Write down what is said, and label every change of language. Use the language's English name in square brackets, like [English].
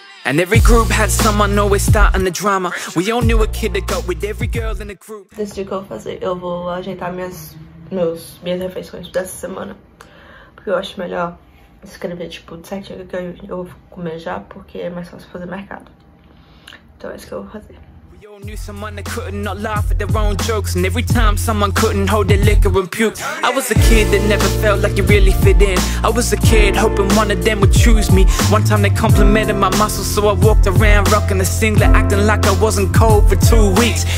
[English] And every group had someone always starting the drama. We all knew a kid that got with every girl in the group. [Portuguese] Decidi o que eu vou fazer. Eu vou ajeitar minhas refeições dessa semana. Porque eu acho melhor escrever, tipo, de certinho que eu vou comer já, porque é mais fácil fazer mercado. Então é isso que eu vou fazer. [English] Knew someone that couldn't not laugh at their own jokes. And every time someone couldn't hold their liquor and puke. I was a kid that never felt like you really fit in. I was a kid hoping one of them would choose me. One time they complimented my muscles, so I walked around rocking a singlet, acting like I wasn't cold for 2 weeks.